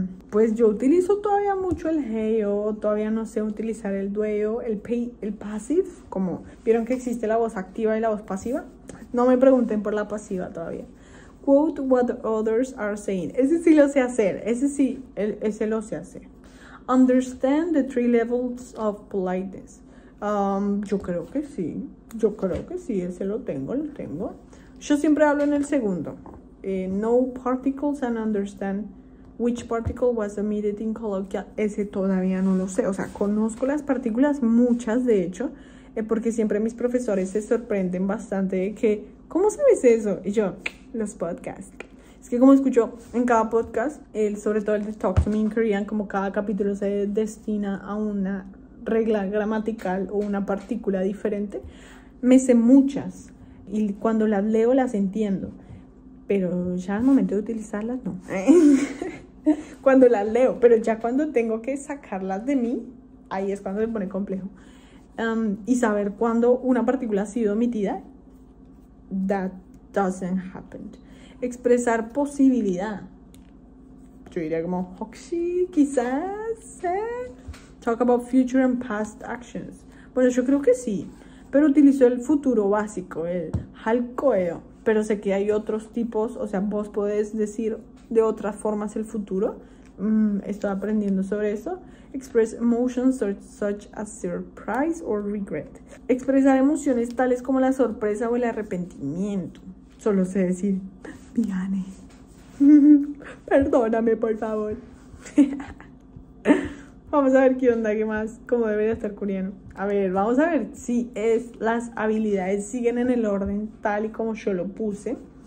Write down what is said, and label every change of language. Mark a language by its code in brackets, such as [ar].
[es] Pues yo utilizo todavía mucho el heyo, todavía no sé utilizar el dueo, el passive, como vieron que existe la voz activa y la voz pasiva. No me pregunten por la pasiva todavía. [en] Quote what others are saying. [es] Ese sí lo sé hacer. Ese sí, ese lo sé hacer. [en] Understand the 3 levels of politeness. [es] Yo creo que sí. Yo creo que sí. Ese lo tengo, lo tengo. Yo siempre hablo en el segundo. [en] No particles and understand which particle was omitted in colloquial. [es] Ese todavía no lo sé. O sea, conozco las partículas, muchas de hecho, porque siempre mis profesores se sorprenden bastante de que, ¿cómo sabes eso? Y yo, los podcasts. Es que como escucho en cada podcast, sobre todo el de Talk to Me in Korean, como cada capítulo se destina a una regla gramatical o una partícula diferente, me sé muchas. Y cuando las leo, las entiendo. Pero ya al momento de utilizarlas, no. Cuando las leo, pero ya cuando tengo que sacarlas de mí, ahí es cuando se pone complejo. Y saber cuándo una partícula ha sido omitida, [en] that doesn't happen. [es] Expresar posibilidad. Yo diría como, hoxi, quizás, [en] Talk about future and past actions. [es] Bueno, yo creo que sí, pero utilizo el futuro básico, el halkoeo. Pero sé que hay otros tipos, o sea, vos podés decir de otras formas el futuro. Estoy aprendiendo sobre eso. [en] Express emotions such as surprise or regret. [es] Expresar emociones tales como la sorpresa o el arrepentimiento. Solo sé decir, Viane, perdóname por favor. Vamos a ver qué onda, qué más, cómo debería estar coreano. A ver, vamos a ver si es las habilidades siguen en el orden tal y como yo lo puse.